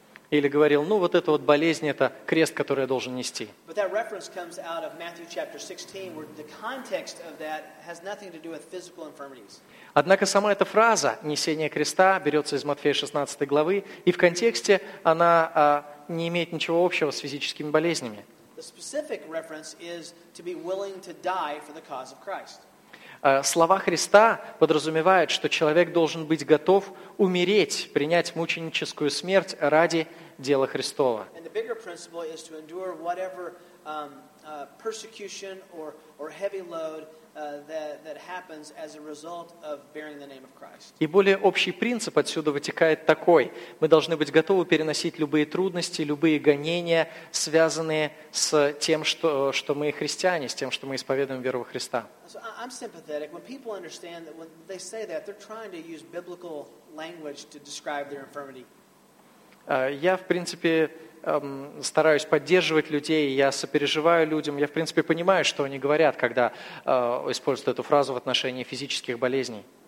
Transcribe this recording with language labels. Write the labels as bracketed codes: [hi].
[ru] Или говорил, ну вот эта вот болезнь – это крест, который я должен нести. [en] But that reference comes out of Matthew chapter 16, where the context of that has nothing to do with physical infirmities. [ru] Однако сама эта фраза «несение креста» берется из Матфея 16 главы, и в контексте она не имеет ничего общего с физическими болезнями. [en] The specific reference is to be willing to die for the cause of Christ. [ru] Слова Христа подразумевают, что человек должен быть готов умереть, принять мученическую смерть ради дела Христова. [en] And the bigger principle is to endure whatever persecution or heavy load that happens as a result of bearing the name of Christ. [ru] И более общий принцип отсюда вытекает такой: мы должны быть готовы переносить любые трудности, любые гонения, связанные с тем, что мы христиане, с тем, что мы исповедуем веру во Христа. [en] So I'm sympathetic when people understand that when they say that, they're trying to use biblical language to describe their infirmity. [ru] Я, в принципе, стараюсь поддерживать людей, я сопереживаю людям, я, в принципе, понимаю, что они говорят, когда используют эту фразу в отношении физических болезней.